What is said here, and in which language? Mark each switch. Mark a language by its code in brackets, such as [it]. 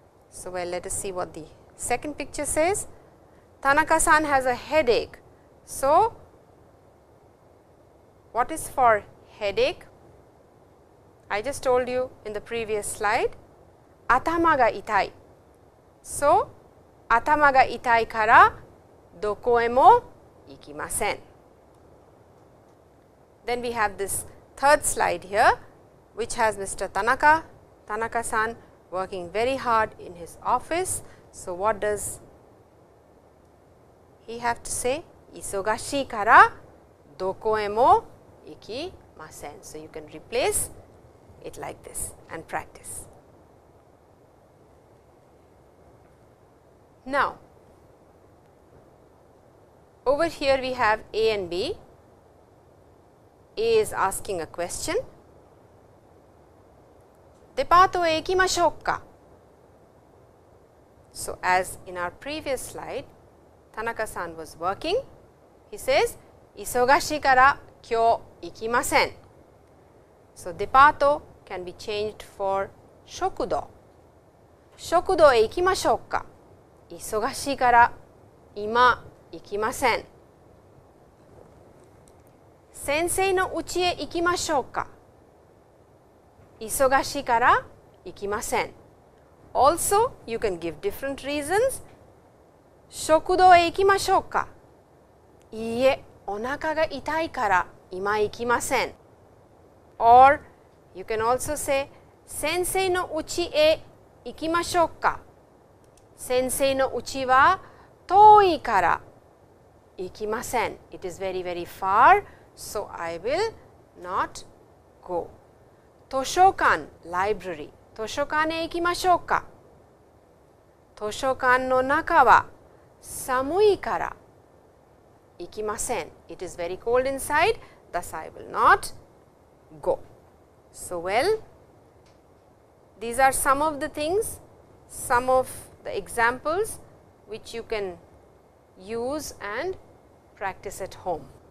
[en] So, well, let us see what the second picture says. Tanaka-san has a headache. So, what is for headache? I just told you in the previous slide. [ja] Atama ga itai. So, 頭が痛いからどこへも行きません。 [en] Then we have this third slide here, which has Mr. Tanaka. Tanaka-san working very hard in his office. So, what does he have to say? [ja] 忙しいからどこへも行きません。 [en] So, you can replace it like this and practice. Now, over here we have A and B. A is asking a question. [ja] デパートへ行きましょうか? [en] So, as in our previous slide, Tanaka-san was working. He says, [ja] 忙しいから今日行きません。 [en] So, デパート can be changed for 食堂。 [ja] 食堂へ行きましょうか?忙しいから今行きません。先生の家へ行きましょうか。忙しいから行きません。 [en] Also, you can give different reasons. [ja] 食堂へ行きましょうか?いいえ、お腹が痛いから今行きません。 [en] Or you can also say [ja] 先生の家へ行きましょうか? 先生の家は遠いから行きません。 [en] It is very very far, so I will not go. [ja] 図書館, library, 図書館へ行きましょうか? 図書館の中は 寒いから行きません。 [en] It is very cold inside, thus I will not go. So well, these are some of the things, some of the examples which you can use and practice at home.